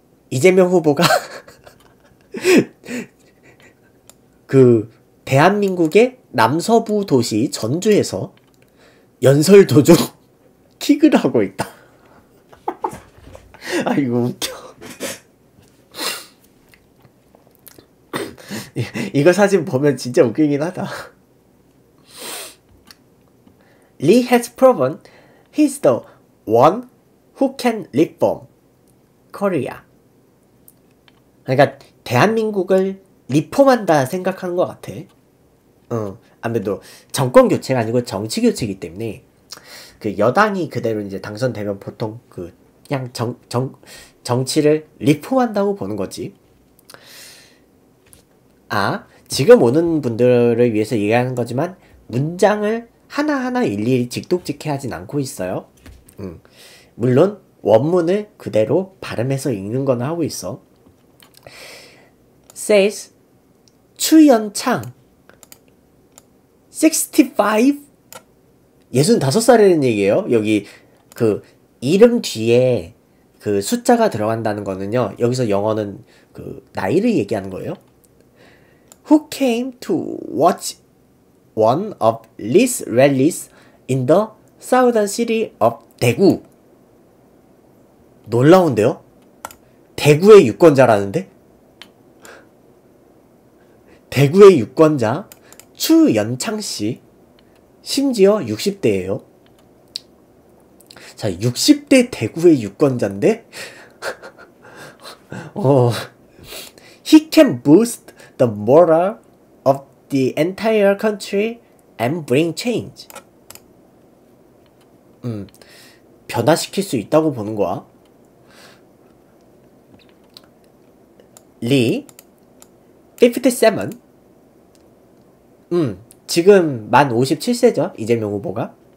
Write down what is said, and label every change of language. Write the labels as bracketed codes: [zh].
[ko] 이재명 후보가 그 대한민국의 남서부 도시 전주에서 연설 도중 킥을 하고 있다. 아 이거 웃겨. 이거 사진 보면 진짜 웃기긴 하다. [en] Lee has proven he's the one who can reform Korea. [ko] 그러니까 대한민국을 리폼한다 생각하는 것 같아. 아무래도 정권 교체가 아니고 정치 교체이기 때문에 그 여당이 그대로 이제 당선되면 보통 그 그냥 정치를 리폼한다고 보는 거지. 아, 지금 오는 분들을 위해서 얘기하는 거지만 문장을 하나하나 일일이 직독직해하진 않고 있어요. 물론 원문을 그대로 발음해서 읽는 거나 하고 있어. [en] says [ko] 추연창 65 65살이라는 얘기예요. 여기 그 이름 뒤에 그 숫자가 들어간다는 거는요. 여기서 영어는 그 나이를 얘기하는 거예요. [en] Who came to watch one of Lee's rallies in the southern city of 대구? [ko] 놀라운데요? 대구의 유권자라는데? 대구의 유권자 추연창 씨. 심지어 60대예요. 자, 60대 대구의 유권자인데? [en] He can boost the morale of the entire country and bring change. [ko] 변화시킬 수 있다고 보는 거야. [en] Lee, 57. [ko] 지금 만 57세죠, 이재명 후보가.